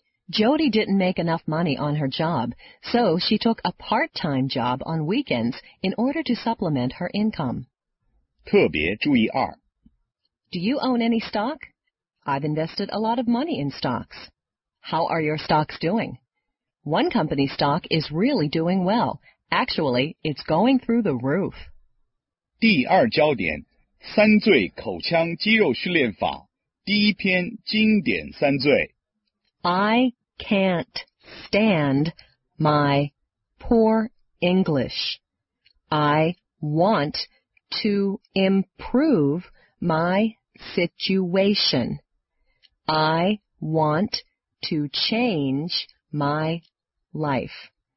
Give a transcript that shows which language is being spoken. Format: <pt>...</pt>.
<en>Jody didn't make enough money on her job, so she took a part-time job on weekends in order to supplement her income.</en> <zh>特别注意二。</zh> <en>Do you own any stock? I've invested a lot of money in stocks. How are your stocks doing? One company stock is really doing well. Actually, it's going through the roof.</en> <zh>第二焦点，三罪口腔肌肉训练法，第一篇经典三罪。</zh> <en>I can't stand my poor English. I want to improve my situation. I want to change my life.</en>